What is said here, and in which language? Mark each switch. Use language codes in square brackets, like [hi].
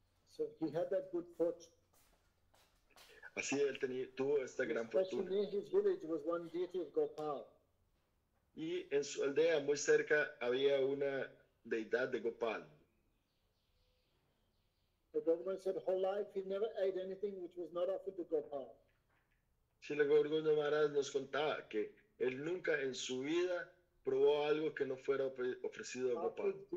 [en] So he had that good fortune. [es] Así él tuvo esta gran fortuna. [en] Near his village was one deity of Gopal. [es] Y en su aldea muy cerca había una deidad de Gopal. [en] The Bhagavan said, whole life he never ate anything which was not offered to Gopal. [es] Srila Gauranga Maharaj nos contaba que él nunca en su vida probó algo que no fuera ofrecido a Gopal.